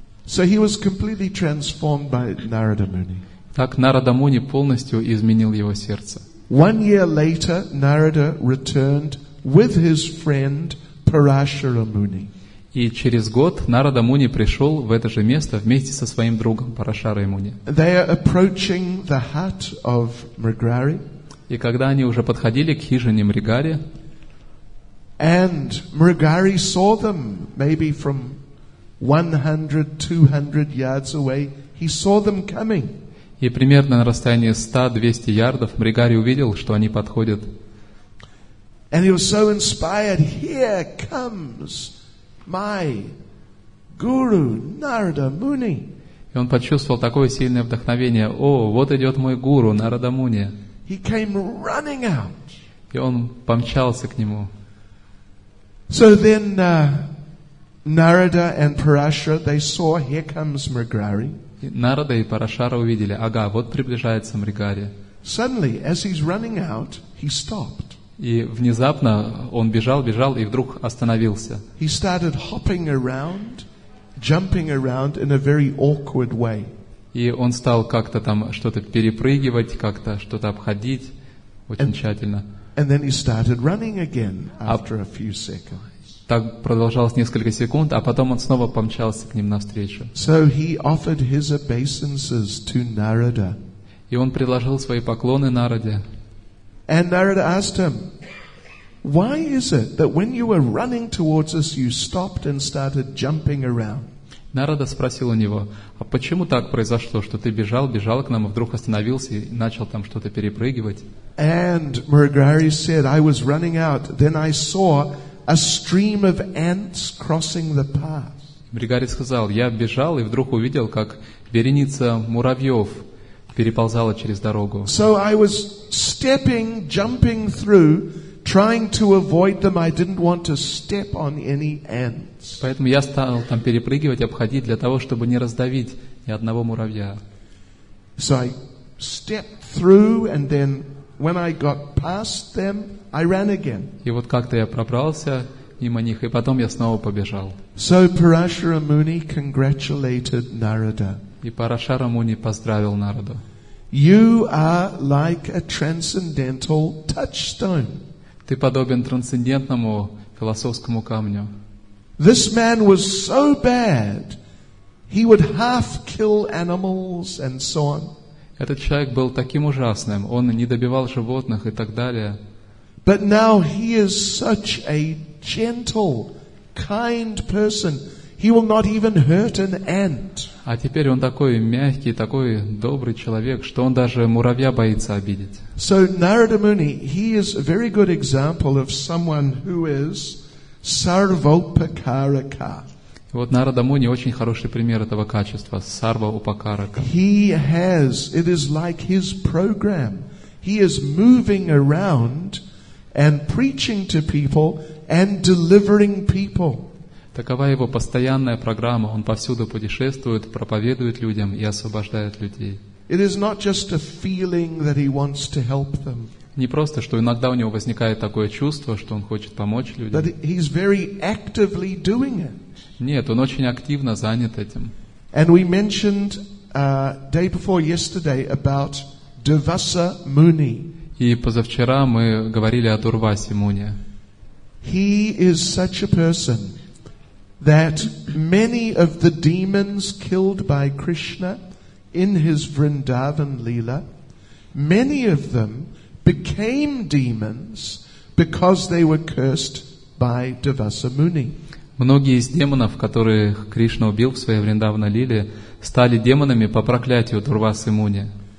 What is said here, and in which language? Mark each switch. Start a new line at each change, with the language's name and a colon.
English: So he was completely transformed by Narada Muni.
Russian: Так Нарада Муни полностью изменил его сердце.
English: One year later, Narada returned with his friend Parashara Muni.
Russian: И через год Нарада Муни пришел в это же место вместе со своим другом Парашарой Муни.
English: They are approaching the hut of Mrigari.
Russian: И когда они уже подходили к хижине Мригари,
English: and Mrigari saw them maybe from 100, 200 yards away. He saw them coming.
Russian: И примерно на расстоянии 100-200 ярдов Мригари увидел, что они подходят.
English: And he was so inspired. Here comes my guru, Narada Muni.
Russian: И он почувствовал такое сильное вдохновение. О, вот идет мой гуру, Нарада Муни.
English: He came running out.
Russian: И он помчался к нему.
English: So then Narada and Parashara, they saw, here comes Mrigari.
Russian: Нарада и Парашара увидели, ага, вот приближается Мригари.
English: Suddenly, as he's running out, he stopped.
Russian: И внезапно он бежал, и вдруг остановился.
English: He started hopping around, jumping around in a very awkward way.
Russian: И он стал как-то там что-то перепрыгивать, как-то что-то обходить очень тщательно.
English: And then he started running again after a few seconds.
Russian: Так продолжалось несколько секунд, а потом он снова помчался к ним навстречу.
English: So he offered his obeisances to Narada.
Russian: И он предложил свои поклоны Нараде.
English: And Narada asked him, why is it that when you were running towards us, you stopped and started jumping around?
Russian: Нарада спросил у него, а почему так произошло, что ты бежал к нам, а вдруг остановился и начал там что-то перепрыгивать?
English: And Mrigari said, I was running out, then I saw a stream of ants crossing the path.
Russian: Мригари сказал, я бежал и вдруг увидел, как вереница муравьев переползала через дорогу.
English: So I was stepping, jumping through, trying to avoid them. I didn't want to step on any ants.
Russian: Поэтому я стал там перепрыгивать, обходить для того, чтобы не раздавить ни одного муравья.
English: So I stepped through, and then when I got past them, I ran again.
Russian: И вот как-то я пробрался мимо них, и потом я снова побежал.
English: So Parashara Muni congratulated Narada.
Russian: И Парашара Муни поздравил Нараду.
English: You are like a transcendental touchstone.
Russian: Ты подобен трансцендентному философскому камню.
English: This man was so bad, he would half kill animals and so on.
Russian: Этот человек был таким ужасным, он не добивал животных и так далее.
English: But now he is such a gentle, kind person. He will not even hurt an ant.
Russian: А теперь он такой мягкий, такой добрый человек, что он даже муравья боится обидеть.
English: So Narada Muni, he is a very good example of someone who is sarvopakaraka.
Russian: Вот Нарада Муни очень хороший пример этого качества, сарвоупакарака.
English: He has, it is like his program. He is moving around and preaching to people and delivering people.
Russian: Такова его постоянная программа. Он повсюду путешествует, проповедует людям и освобождает людей.
English: It is not just a feeling that he wants to help them.
Russian: Не просто, что иногда у него возникает такое чувство, что он хочет помочь людям.
English: But he is very actively doing it.
Russian: Нет, он очень активно занят этим.
English: And we mentioned day before yesterday about Durvasa Muni.
Russian: И позавчера мы говорили о Дурвасе Муни.
English: He is such a person that many of the demons killed by Krishna in his Vrindavan Leela, many of them became demons because they were cursed by Durvasa Muni.
Russian: Многие из демонов, которых Кришна убил в своей Вриндавана Лиле, стали демонами по проклятию Дурвасы Муни.